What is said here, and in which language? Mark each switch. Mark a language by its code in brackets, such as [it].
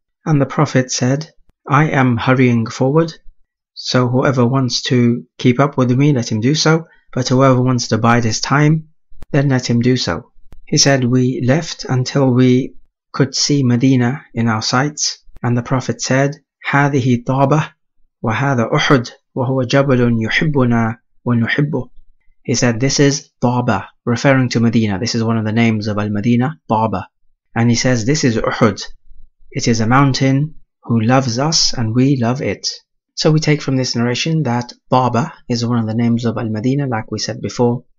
[en] And the Prophet said, I am hurrying forward, so whoever wants to keep up with me, let him do so, but whoever wants to bide his time, then let him do so. He said, we left until we could see Medina in our sights. And the Prophet said, [ar] هذه طابة وهذا أحد وهو جبل يحبنا ونحبه. [en] He said, this is طابة, referring to Medina. This is one of the names of Al-Madinah, طابة. And he says, this is Uhud. It is a mountain who loves us and we love it. So we take from this narration that Baba is one of the names of Al-Madinah, like we said before.